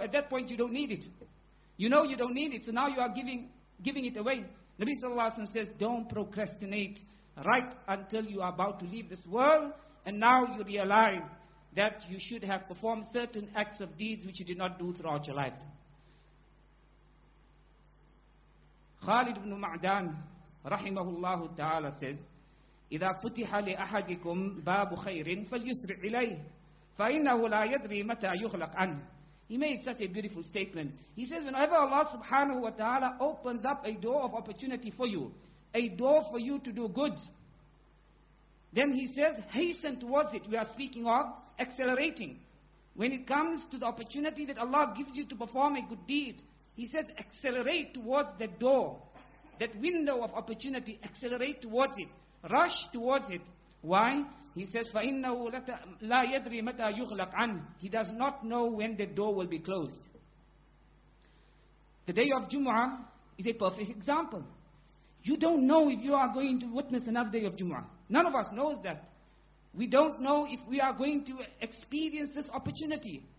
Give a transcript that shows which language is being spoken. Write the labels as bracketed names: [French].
[English] At that point you don't need it. You know you don't need it, so now you are giving it away. Nabi sallallahu alayhi wa sallam says, don't procrastinate right until you are about to leave this world, and now you realize that you should have performed certain acts of deeds which you did not do throughout your life. [Arabic] Khalid ibn Ma'dan, rahimahullah ta'ala, says, إِذَا فُتِحَ لِأَحَدِكُمْ بَابُ خَيْرٍ فَلْيُسْرِعْ إِلَيْهِ فَإِنَّهُ لَا يَدْرِي مَتَى يُخْلَقْ عَنْهِ. [English] He made such a beautiful statement. He says, whenever Allah subhanahu wa ta'ala opens up a door of opportunity for you, a door for you to do good, then he says, hasten towards it. We are speaking of accelerating. When it comes to the opportunity that Allah gives you to perform a good deed, he says, accelerate towards that door, that window of opportunity, accelerate towards it, rush towards it. Why? [Arabic] He says, فَإِنَّهُ لَا يَدْرِي مَتَى يُغْلَقْ عَنْهُ. [English] He does not know when the door will be closed. The day of Jumu'ah is a perfect example. You don't know if you are going to witness another day of Jumu'ah. None of us knows that. We don't know if we are going to experience this opportunity.